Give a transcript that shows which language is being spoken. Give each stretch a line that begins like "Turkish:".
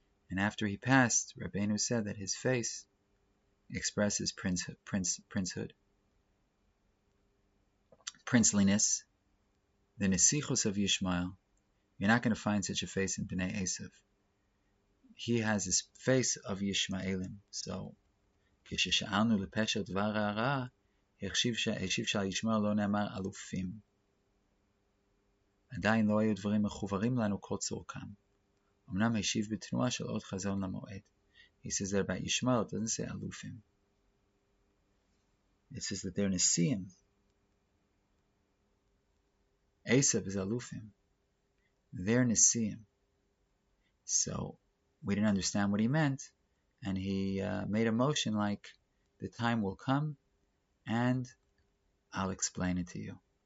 English: And after he passed, Rabbeinu said that his face expresses princehood. Princeliness, the Nesichus of Yishmael, you're not going to find such a face in Bnei Esav. He has this face of Yishmaelim.
Hebrew: So, כששאלנו לפשר דבר הרע, השיב שעל ישמעאל לא נאמר אלופים. עדיין לא היו דברים מחוברים לנו כל צורכם. אמנם השיב בתנועה של עוד חזון למועד.
English: He says that about Yishmael, it doesn't say אלופים. It says that they're Nesiim. Esav is Alufim. They're Nesiim. So we didn't understand what he meant, and he made a motion like, the time will come, and I'll explain it to you.